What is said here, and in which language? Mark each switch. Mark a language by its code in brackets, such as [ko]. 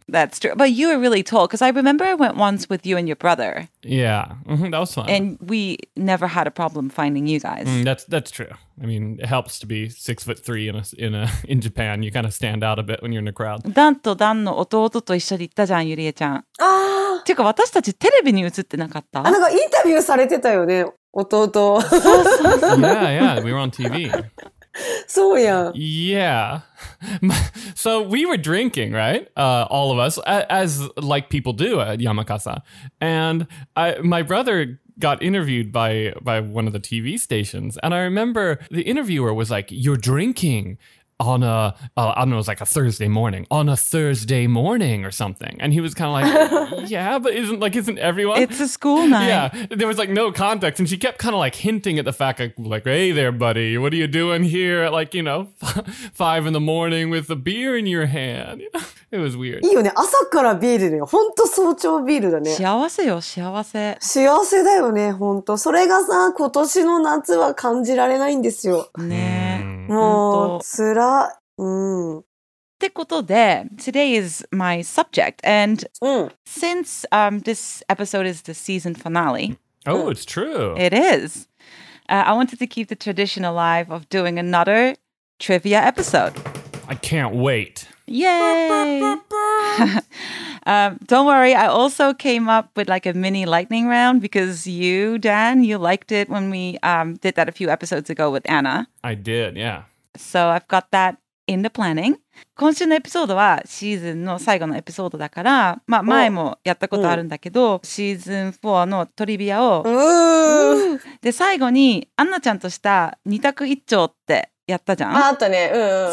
[en] That's true. But you were really tall because I remember I went once with you and your brother. Yeah, that was fun. And we never had a problem finding you guys. That's true. I mean, it helps to be 6'3" in Japan. You kind of stand out a bit when you're in a crowd. [ja] Dan と Dan の弟と一緒に行ったじゃん、ゆりえちゃん。ああ。てか私たちテレビに映ってなかった？あ、なんかインタビューされてたよね、弟。そうそう。 [en] Yeah, yeah, we were on TV. [ja] そうやん。 [en] Yeah. So we were drinking, right? All of us, as like people do at Yamakasa. And my brother... got interviewed by one of the TV stations. And I remember the interviewer was like, you're drinking. on a, I don't know, it was like a Thursday morning, on a Thursday morning or something. And he was kind of like, yeah, but isn't like, isn't everyone? It's a school night. Yeah. There was like no context. And she kept kind of like hinting at the fact like, hey there, buddy, what are you doing here at like, you know, five in the morning with a beer in your hand? It was weird. [ja] いいよね。朝からビールだよ。ほんと早朝ビールだね。幸せよ、幸せ。幸せだよね、ほんと。それがさ、今年の夏は感じられないんですよ。ねえ。もう、つら、うん。ってことで、 [en] Today is my subject. And、うん、since、this episode is the season finale. Oh, it's true. It is.、I wanted to keep the tradition alive of doing another trivia episode. I can't wait. Yay! don't worry, I also came up with like a mini lightning round because you, Dan, you liked it when we did that a few episodes ago with Anna. I did, yeah. So I've got that in the planning. [ja] 今週のエピソードはシーズンの最後のエピソードだから、まあ前もやったことあるんだけど、シーズン4のトリビアを。で、最後にアンナちゃんとした二択一丁って。やったじゃん。あったね。うん。